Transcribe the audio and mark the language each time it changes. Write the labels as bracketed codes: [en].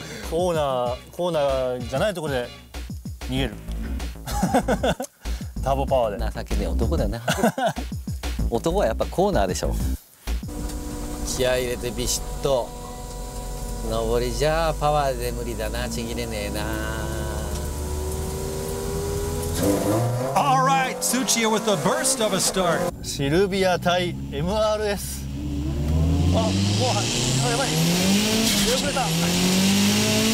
[ja] コーナーじゃないところで逃げる。ターボパワーで。情けねえ男だな。男はやっぱコーナーでしょ。気合い入れてビシッと上りじゃパワーで無理だな、ちぎれねえな。 [en] All right, Tsuchiya with a burst of a start. [ja] シルビア対 MRS。あ、もうやばい、出遅れた。